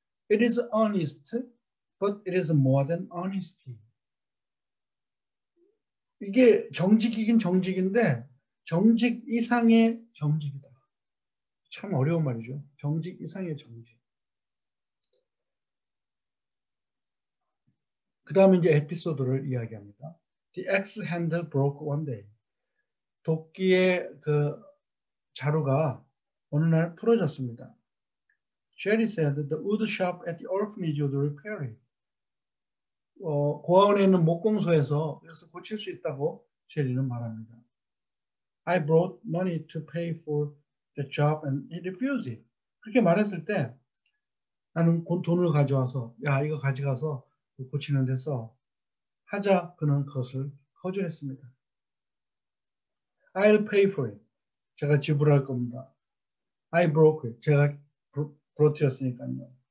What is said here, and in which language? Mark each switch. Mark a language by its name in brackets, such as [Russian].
[English] It is honest, but it is more than honesty. [Korean] 이게 정직이긴 정직인데, 정직 이상의 정직이다. 참 어려운 말이죠. 정직 이상의 정직. 그 다음에 이제 에피소드를 이야기합니다. [English] The axe handle broke one day. [Korean] 도끼의 그 자루가 어느 날 부러졌습니다. [English] Jerry said the wood shop at the orphanage would repair it. [Korean] 고아원에 있는 목공소에서 이것을 고칠 수 있다고 젤리는 말합니다. [English] I brought money to pay for the job and he refused it. [Korean] 그렇게 말했을 때 나는 돈을 가져와서 야 이거 가져가서 고치는 데 써 하자 그는 그것을 거절했습니다. [English] I'll pay for it. [Korean] 제가 지불할 겁니다. [English] I broke it. [Korean] 제가 부러뜨렸으니까요.